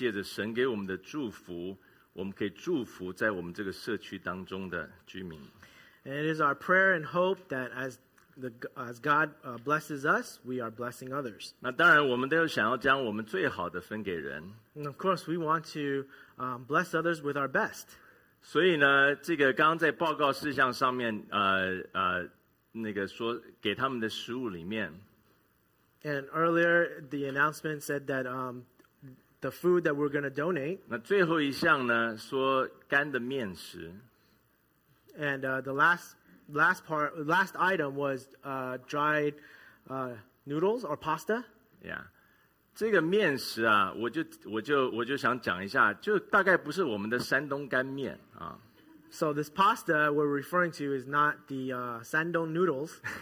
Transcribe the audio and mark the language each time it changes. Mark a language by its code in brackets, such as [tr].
[zh] 我们的祷告和盼望是借着神给我们的祝福, 我们可以祝福在我们这个社区当中的居民。 [en] And it is our prayer and hope that as God blesses us, we are blessing others. [zh] 那当然我们都想要将我们最好的分给人。 [en] And of course, we want to bless others with our best. [zh] 所以呢,这个刚刚在报告事项上面, 那个说给他们的食物里面, [en] and earlier, the announcement said that the food that we're going to donate, [zh] 那最后一项呢, 说干的面食, [en] and the last item was dried noodles or pasta. Yeah. [zh] 这个面食啊, 我就想讲一下, 就大概不是我们的山东干面, [en] So this pasta we're referring to is not the Sandong noodles.